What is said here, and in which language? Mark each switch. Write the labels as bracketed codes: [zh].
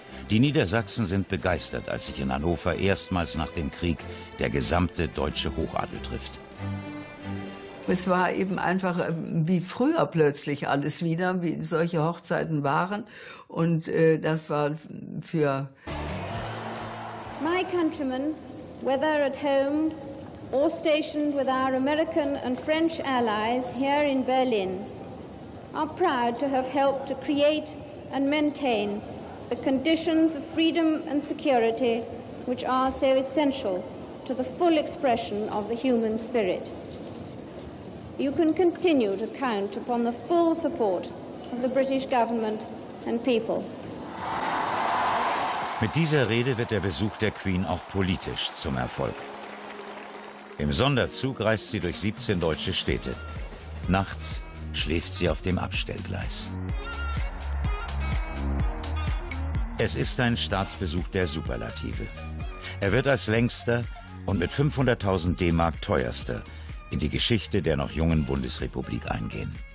[de] Die Niedersachsen sind begeistert, als sich in Hannover erstmals nach dem Krieg der gesamte deutsche Hochadel trifft. Es war eben einfach wie früher plötzlich alles wieder, wie solche Hochzeiten waren. Und das war für... [en] My countrymen, whether at home or stationed with our American and French allies here in Berlin, are proud to have helped to create and maintain the conditions of freedom and security which are so essential to the full expression of the human spirit. You can continue to count upon the full support of the British government and people. [de] Mit dieser Rede wird der Besuch der Queen auch politisch zum Erfolg. Im Sonderzug reist sie durch 17 deutsche Städte. Nachts schläft sie auf dem Abstellgleis. Es ist ein Staatsbesuch der Superlative. Er wird als längster und mit 500.000 D-Mark teuerster in die Geschichte der noch jungen Bundesrepublik eingehen.